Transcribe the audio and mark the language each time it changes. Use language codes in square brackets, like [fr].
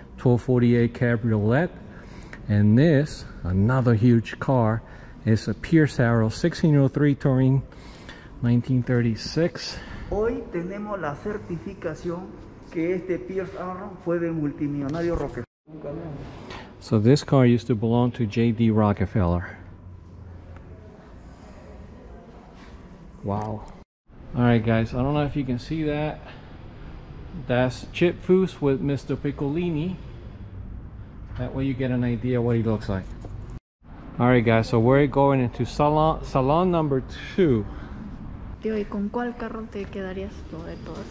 [en] 1248 Cabriolet, and this, another huge car, is a Pierce Arrow 1603 Touring 1936. [es] Hoy tenemos la certificación que este Pierce Arrow fue de multimillonario Rockefeller. [en] So this car used to belong to J.D. Rockefeller. Wow. Alright guys, I don't know if you can see that. That's Chip Foose with Mr. Piccolini. That way you get an idea what he looks like. All right, guys, so we're going into salon number two. [es] Tío, ¿y con cuál carro te quedarías tú de todos?